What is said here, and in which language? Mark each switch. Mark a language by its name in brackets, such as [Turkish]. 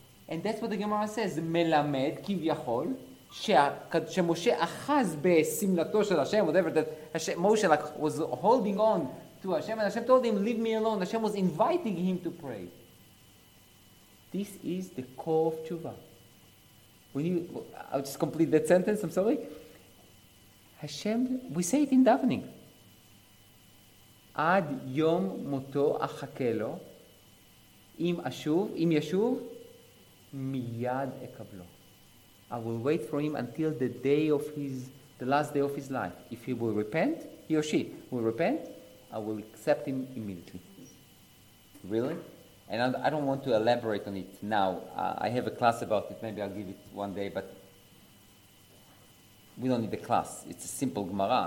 [English] And that's what the Gemara says, [Hebrew] melamed kivyachol, shemoshe achaz besimlato shel Hashem, [English] whatever, that Hashem, Moshe like, was holding on to Hashem, and Hashem told him, leave me alone. Hashem was inviting him to pray. This is the core of tshuva. I'll just complete that sentence, I'm sorry. Hashem, we say it in davening. [Hebrew] עד יום מותו אחכה לו, אם אשוב, אם ישוב, מיד אקבלו. [English] I will wait for him until the day of his, the last day of his life. If he will repent, he or she will repent, I will accept him immediately. Really? And I don't want to elaborate on it now. I have a class about it. Maybe I'll give it one day, but we don't need the class. It's a simple Gemara.